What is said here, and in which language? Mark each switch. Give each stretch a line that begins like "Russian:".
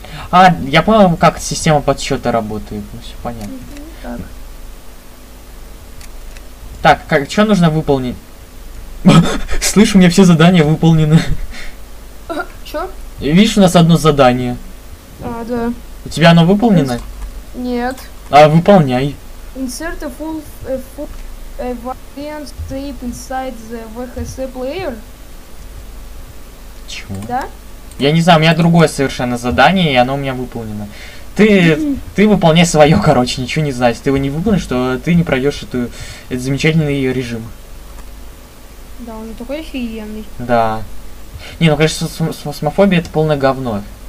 Russian: А, я понял, как система подсчета работает. Ну, все понятно. Так, как, что нужно выполнить? Слышь, у меня все задания выполнены. Чё? Видишь, у нас одно задание. А, да. У тебя оно выполнено? Нет. А, выполняй.
English: Insert a full event tape inside the VHC player.
Russian: Чего? Да? Я не знаю, у меня другое совершенно задание, и оно у меня выполнено. Ты выполняй свое, короче, ничего не знаешь. Ты его не выполнишь, то ты не пройдешь этот замечательный режим. Да, он такой офигенный. Да. Не, ну конечно, смофобия это полное говно.